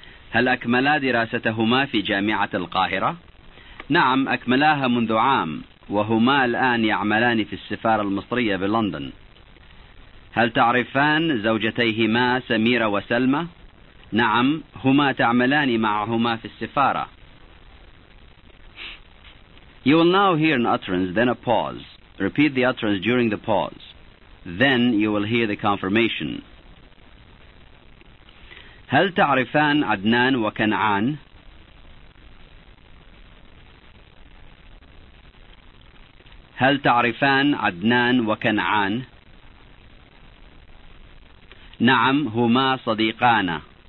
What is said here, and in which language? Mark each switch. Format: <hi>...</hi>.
<ar>هل أكملا دراستهما في جامعة القاهرة؟ نعم أكملاها منذ عام وهما الآن يعملان في السفارة المصرية بلندن. هل تعرفان زوجتيهما سميرة وسلمى؟ نعم هما تعملان معهما في السفارة.</ar> <en>You will now hear an utterance, then a pause. Repeat the utterance during the pause. Then you will hear the confirmation.</en> <ar>هل تعرفان عدنان وكنعان؟ هل تعرفان عدنان وكنعان؟ نعم هما صديقانا.</ar>